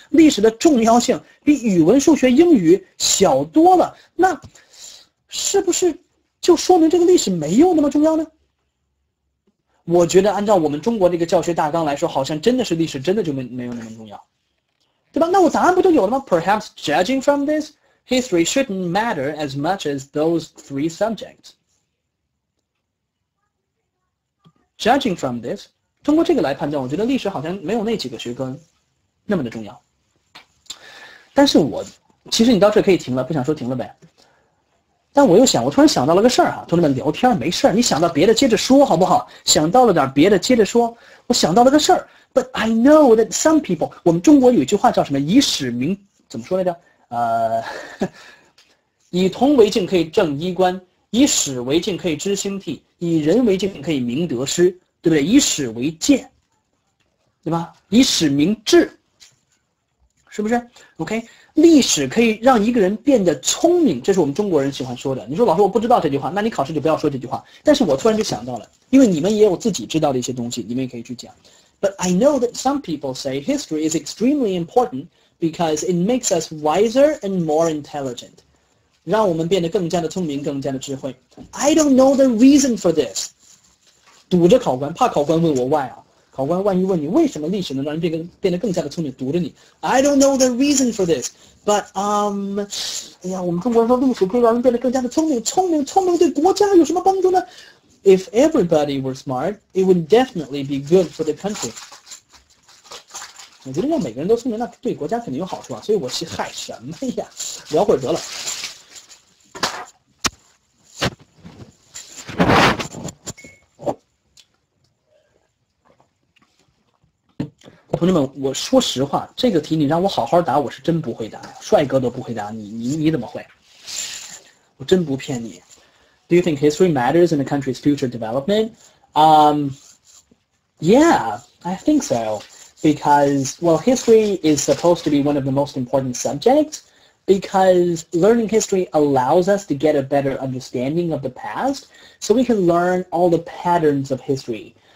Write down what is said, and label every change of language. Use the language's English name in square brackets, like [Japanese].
[Chinese] 历史的重要性比语文、数学、英语小多了。那是不是就说明这个历史没有那么重要呢？我觉得按照我们中国这个教学大纲来说，好像真的是历史真的就没有那么重要，对吧？那我答案不就有了吗 [English] ？Perhaps judging from this, history shouldn't matter as much as those three subjects. Judging from this, [Chinese] 通过这个来判断，我觉得历史好像没有那几个学科那么的重要。但是我其实你到这可以停了，不想说停了呗。但我又想，我突然想到了个事儿哈，同志们聊天没事儿，你想到别的接着说好不好？想到了点别的接着说，我想到了个事儿。 [English] But I know that some people, [Chinese] 我们中国有一句话叫什么？以史明，怎么说来着？以铜为镜可以正衣冠，以史为镜可以知兴替，以人为镜可以明得失，对不对？以史为鉴，对吧？以史明智，是不是 ？OK。历史可以让一个人变得聪明，这是我们中国人喜欢说的。你说老师我不知道这句话，那你考试就不要说这句话。但是我突然就想到了，因为你们也有自己知道的一些东西，你们也可以去讲。 [English] But I know that some people say history is extremely important because it makes us wiser and more intelligent， [Chinese] 让我们变得更加的聪明，更加的智慧。 [English] I don't know the reason for this。 [Chinese] 堵着考官，怕考官问我 why 啊。考官万一问你为什么历史能让人变得更加的聪明，读着你 [English] I don't know the reason for this But [Chinese] 哎呀，我们中国人说历史可以让人变得更加的聪明对国家有什么帮助呢？ [English] If everybody were smart It would definitely be good for the country。 [Chinese] 我觉得要每个人都聪明，那对国家肯定有好处啊。所以我去害什么呀，聊会儿得了。同志们，我说实话，这个题你让我好好答，我是真不会答，帅哥都不会答，你怎么会？我真不骗你。 [English] Do you think history matters in a country's future development? Yeah, I think so. Because, well, history is supposed to be one of the most important subjects, because learning history allows us to get a better understanding of the past, so we can learn all the patterns of history.